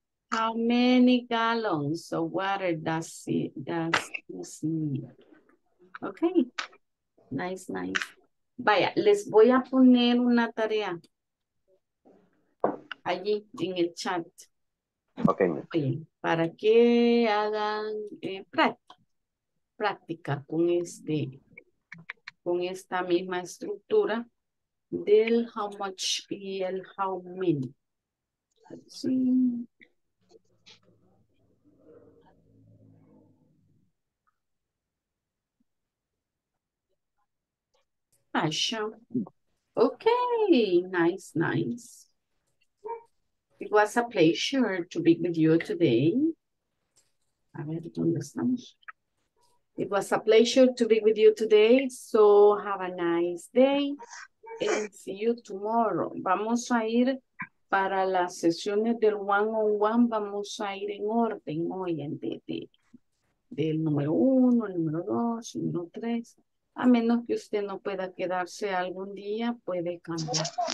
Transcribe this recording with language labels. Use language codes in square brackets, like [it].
[en] How many gallons of water does this need? Ok, nice. [es] Vaya, les voy a poner una tarea allí en el chat. Ok. Oye, para que hagan práctica con esta misma estructura del how much y el how many. Sí. [en] Okay, nice. It was a pleasure to be with you today. [es] A ver, ¿dónde estamos? [en] It was a pleasure to be with you today, so have a nice day and see you tomorrow. [es] Vamos a ir para las sesiones del one-on-one, vamos a ir en orden hoy, del número uno, el número dos, el número tres. A menos que usted no pueda quedarse algún día, puede cambiar.